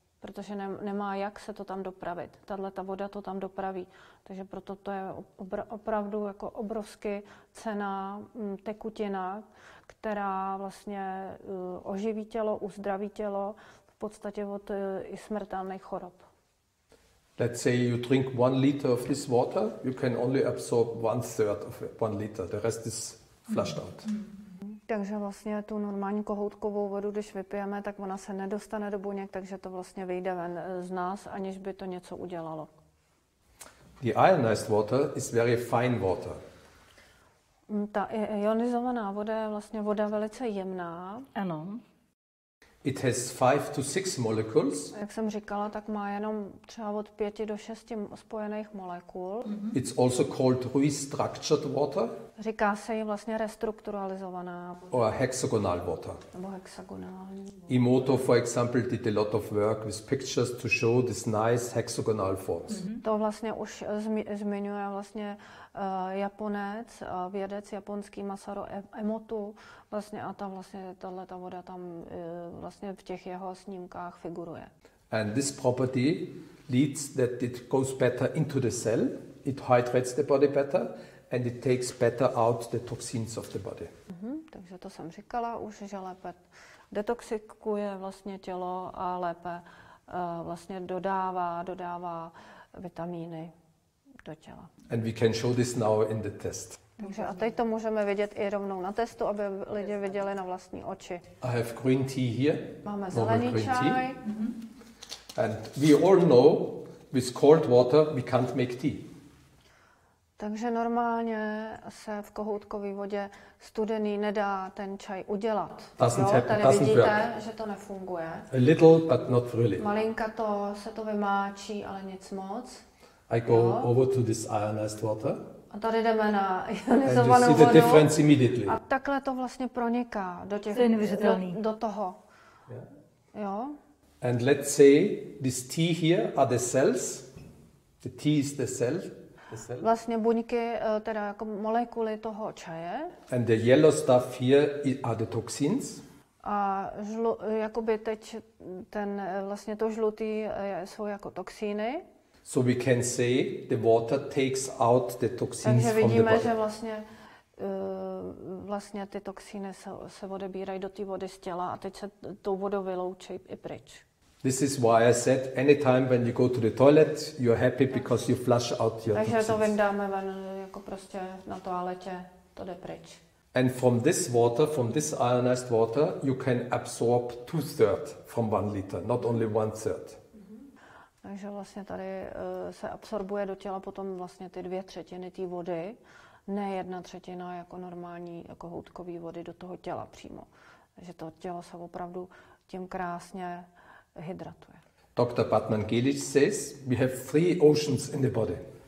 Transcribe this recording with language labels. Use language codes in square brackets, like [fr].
[cs] Protože nemá jak se to tam dopravit. Tahle ta voda to tam dopraví. Takže proto to je opravdu jako obrovsky cenná tekutina, která vlastně oživí tělo, uzdraví tělo v podstatě od i smrtelných chorob. [en] Let's say you drink 1 liter of this water, you can only absorb 1/3 of 1 liter. The rest is flushed out. [cs] Takže vlastně tu normální kohoutkovou vodu, když vypijeme, tak ona se nedostane do buněk, takže to vlastně vyjde ven z nás, aniž by to něco udělalo. [en] The ionized water is very fine water. [cs] Ta ionizovaná voda je vlastně voda velice jemná. Ano. [en] It has 5 to 6 molecules. [cs] Jak jsem říkala, tak má jenom třeba od 5 to 6 spojených molekul. Mm-hmm. [en] It's also called restructured water. [cs] Říká se jí vlastně restrukturalizovaná. [en] Or hexagonal water. [cs] Nebo hexagonální. [en] Imoto, for example, did a lot of work with pictures to show this nice hexagonal forms. Mm-hmm. [cs] To vlastně už zmiňuje vlastně Japonec, vědec japonský Masaru Emoto vlastně, a ta vlastně tato voda tam vlastně v těch jeho snímkách figuruje. [en] And this property leads that it goes better into the cell, it hydrates the body better and it takes better out the toxins of the body. [cs] Mm-hmm, takže to jsem říkala už, že lépe detoxikuje vlastně tělo a lépe vlastně dodává vitamíny do těla. [en] And we can show this now in the test. [cs] Takže a teď to můžeme vidět i rovnou na testu, aby lidé viděli na vlastní oči. [en] I have green tea here. [cs] Máme zelený čaj. Mm-hmm. [en] And we all know with cold water we can't make tea. [cs] Takže normálně se v kohoutkové vodě studený nedá ten čaj udělat. Tady vidíte, že to nefunguje. [en] A little, but not really. [cs] Malinka to se to vymáčí, ale nic moc. [en] I go over to this ionized water. [cs] A tady jdeme na ionizovanou vodu. [en] Difference immediately. [cs] A takhle to vlastně proniká do těch, do toho. [en] Yeah. Jo. And let's say this tea here are the cells. The tea is the cell. [cs] Vlastně buňky, teda jako molekuly toho čaje. [en] And the yellow stuff here are the toxins. [cs] A jakoby teď ten vlastně to žlutý jsou jako toxiny. [en] So we can say the water takes out the toxins from the body. [cs] Takže vidíme, že vlastně ty toxiny se odebírají do té vody z těla a teď se tou vodou vyloučí i pryč. [en] This is why I said anytime when you go to the toilet, you're happy because you flush out your toxins. [cs] Takže to vyndáme ven jako prostě na toaletě, to jde pryč. [en] And from this water, from this ionized water, you can absorb 2/3 from 1 liter, not only 1/3. [cs] Takže vlastně tady se absorbuje do těla potom vlastně ty 2/3 té vody, ne 1/3 jako normální kohoutkový vody do toho těla přímo. Takže to tělo se opravdu tím krásně hydratuje. [en] Dr. Batman Gilic says we have 3 oceans in the body.